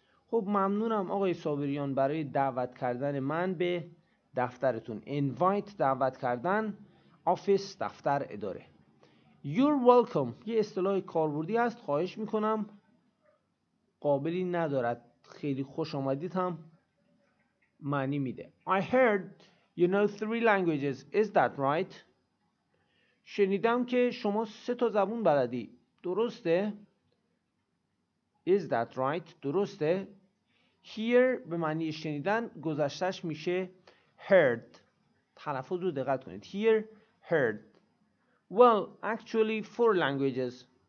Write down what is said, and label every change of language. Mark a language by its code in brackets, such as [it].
[fa] خب ممنونم آقای صابریان برای دعوت کردن من به دفترتون. Invite دعوت کردن، office دفتر اداره. [en] You're welcome [fa] یه اصطلاح کاربردی است، خواهش میکنم قابلی ندارد، خیلی خوش آمدید هم معنی میده. [en] I heard you know three languages, is that right? [fa] شنیدم که شما سه تا زبون بلدی، درسته؟ [en] Is that right؟ [fa] درسته؟ Here به معنی شنیدن، گذشتش میشه heard. تلفظ رو دقت کنید. [en] Here, heard. Well, actually four languages.